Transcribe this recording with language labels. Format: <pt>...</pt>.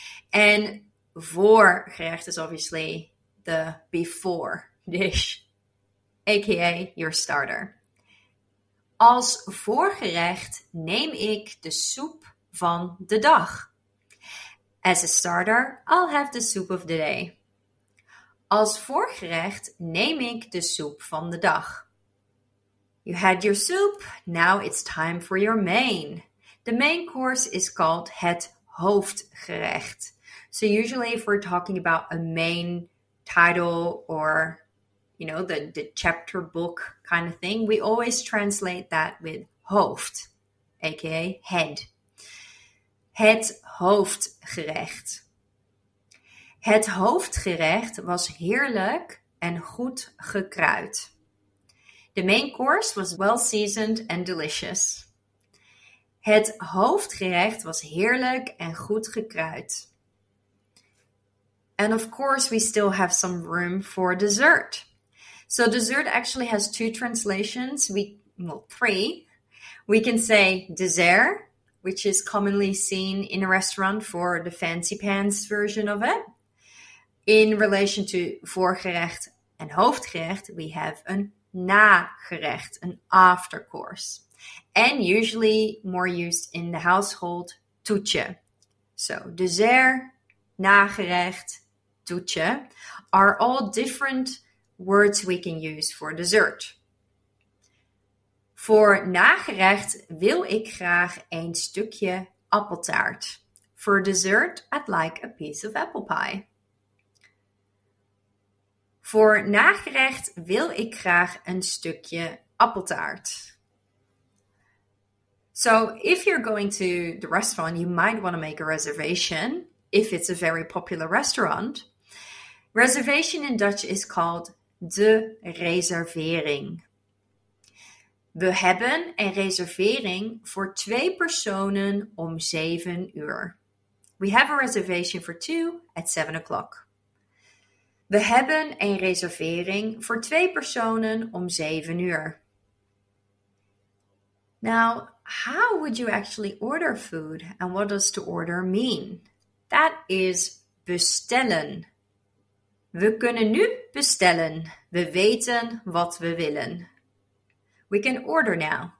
<en>And voorgerecht is obviously the before dish, aka your starter.</en> <nl>Als voorgerecht neem ik de soep van de dag.</nl> <en>As a starter, I'll have the soup of the day.</en> <nl>Als voorgerecht neem ik de soep van de dag.</nl> <en>You had your soup, now it's time for your main. The main course is called het hoofdgerecht. So usually if we're talking about a main title or, you know, the chapter book kind of thing, we always translate that with hoofd, aka head.</en> <nl>Het hoofdgerecht. Het hoofdgerecht was heerlijk en goed gekruid.</nl> <en>The main course was well seasoned and delicious.</en> <nl>Het hoofdgerecht was heerlijk en goed gekruid.</nl> <en>And of course, we still have some room for dessert. So dessert actually has two translations. Three. We can say dessert, which is commonly seen in a restaurant for the fancy pants version of it. In relation to voorgerecht and hoofdgerecht, we have a nagerecht, an after course. And usually more used in the household, toetje. So dessert, nagerecht, toetje are all different words we can use for dessert.</en> <nl>Voor nagerecht wil ik graag een stukje appeltaart.</nl> <en>For dessert, I'd like a piece of apple pie.</en> <nl>Voor nagerecht wil ik graag een stukje appeltaart.</nl> <en>So, if you're going to the restaurant, you might want to make a reservation, if it's a very popular restaurant. Reservation in Dutch is called de reservering.</en> <nl>We hebben een reservering voor 2 personen om 7 uur.</nl> <en>We have a reservation for 2 at 7 o'clock.</en> <nl>We hebben een reservering voor 2 personen om 7 uur.</nl> <en>Now, how would you actually order food and what does to order mean? That is</en> <nl>bestellen. We kunnen nu bestellen. We weten wat we willen.</nl> <en>We can order now.</en>